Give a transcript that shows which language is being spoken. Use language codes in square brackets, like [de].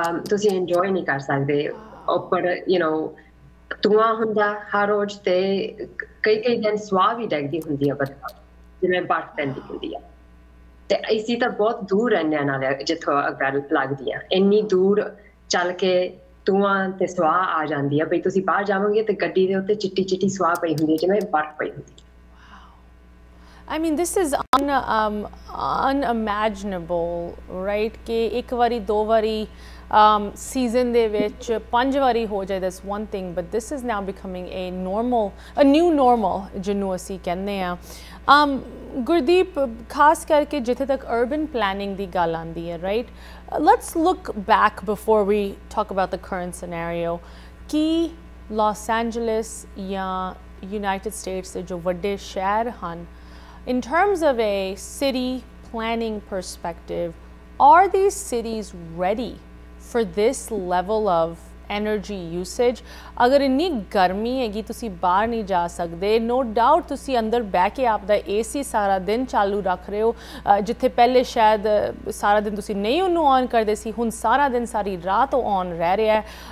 [pa] ਤੁਸੀਂ ਇੰਜੋਏ ਨਹੀਂ ਕਰ ਸਕਦੇ ਉੱਪਰ ਯੂ ਨੋ ਧੂੰਆਂ ਹੁੰਦਾ ਹਰ ਰੋਜ਼ ਅਤੇ ਕਈ ਕਈ ਦਿਨ ਸਵਾਹ ਵੀ ਡੈਗਦੀ ਹੁੰਦੀ ਆ ਬਰਫ਼ ਜਿਵੇਂ ਬਰਫ਼ ਪੈਂਦੀ ਹੁੰਦੀ ਆ ਅਤੇ ਅਸੀਂ ਤਾਂ ਬਹੁਤ ਦੂਰ ਰਹਿੰਦੇ ਹਾਂ ਨਾਲੇ ਜਿੱਥੋਂ ਅੱਗਾਂ ਲੱਗਦੀ ਆ ਇੰਨੀ ਦੂਰ ਚੱਲ ਕੇ ਧੂੰਆਂ ਅਤੇ ਸਵਾਹ ਆ ਜਾਂਦੀ ਆ ਬਈ ਤੁਸੀਂ ਬਾਹਰ ਜਾਵੋਗੇ ਅਤੇ ਗੱਡੀ ਦੇ ਉੱਤੇ ਚਿੱਟੀ ਚਿੱਟੀ ਸਵਾਹ ਪਈ ਹੁੰਦੀ ਜਿਵੇਂ ਬਰਫ਼ ਪਈ ਹੁੰਦੀ [en] I mean, this is unimaginable, right? [pa] Ke ek vari, do vari season de vich, panj vari ho jai, [en] that's one thing. But this is now becoming a normal, a new normal, [pa] ਜਿਨ੍ਹੂੰ ਅੱਸੀ ਕਹਿਣੇ ਹਾਂ. ਗੁਰਦੀਪ, ਖਾਸ ਕਰਕੇ ਜਿਥੇ ਤਕ urban planning ਦੀ ਗੱਲ ਆਂਦੀ ਹੈ, right? [en] Let's look back before we talk about the current scenario. [pa] Ki Los Angeles ya United States de jo vadde shahar han, [en] in terms of a city planning perspective, are these cities ready for this level of energy usage? [pa] ਅਗਰ ਇੰਨੀ ਗਰਮੀ ਹੈ ਤੁਸੀ ਬਾਹਰ ਨਹੀ ਜਾ ਸਕਦੇ, no doubt ਤੁਸੀ ਅੰਦਰ ਬੈਠ ਕੇ ਆਪ ਦਾ AC ਸਾਰਾ ਦਿਨ ਚਾਲੂ ਰੱਖ ਰਹੇ ਹੋ, ਜਿਥੇ ਪਹਿਲੇ ਸ਼ਾਇਦ ਸਾਰਾ ਦਿਨ ਤੁਸੀ ਨਹੀ ਉਨ੍ਹੂੰ on ਕਰਦੇ ਸੀ, ਹੁਣ ਸਾਰਾ ਦਿਨ ਸਾਰੀ ਰਾਤ on ਰਹਿ ਰਿਹਾ ਹੈ.